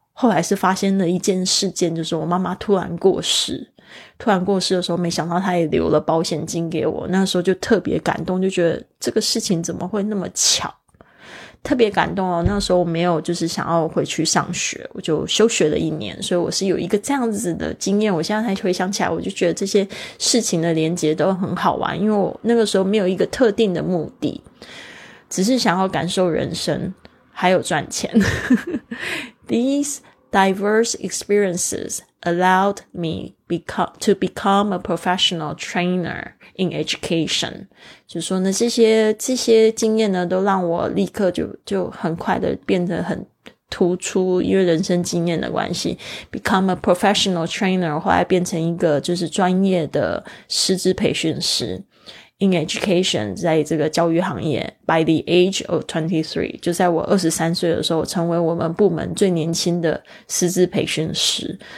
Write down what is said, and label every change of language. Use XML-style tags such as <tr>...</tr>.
<zh>后来是发生了一件事件，就是我妈妈突然过世的时候，没想到她也留了保险金给我，那时候就特别感动，就觉得这个事情怎么会那么巧，特别感动哦。那时候我没有就是想要回去上学，我就休学了一年，所以我是有一个这样子的经验，我现在才回想起来我就觉得这些事情的连结都很好玩，因为我那个时候没有一个特定的目的，只是想要感受人生还有赚钱。</zh> <en>These diverse experiencesallowed me to become a professional trainer in education.</en> <zh>就说呢这些经验呢都让我立刻就很快的变得很突出，因为人生经验的关系 ,</zh> <en>become a professional trainer,</en> <zh>后来变成一个就是专业的师资培训师。</zh> <en>In education,</en> <zh>在这个教育行业</zh> <en>by the age of 23,</en> <zh>就在我23岁的时候成为我们部门最年轻的师资培训师。</zh>